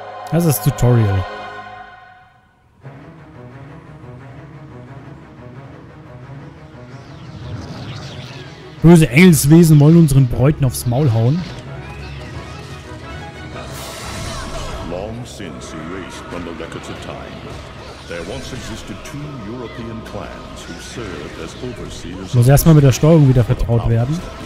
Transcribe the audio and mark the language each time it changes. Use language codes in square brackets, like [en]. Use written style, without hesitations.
[de] Das ist das Tutorial. Böse Engelswesen wollen unseren Bräuten aufs Maul hauen. [en] Long since erased from the records of time. There once existed two European clans who served as overseers. [de] Muss erstmal mit der Steuerung wieder vertraut werden.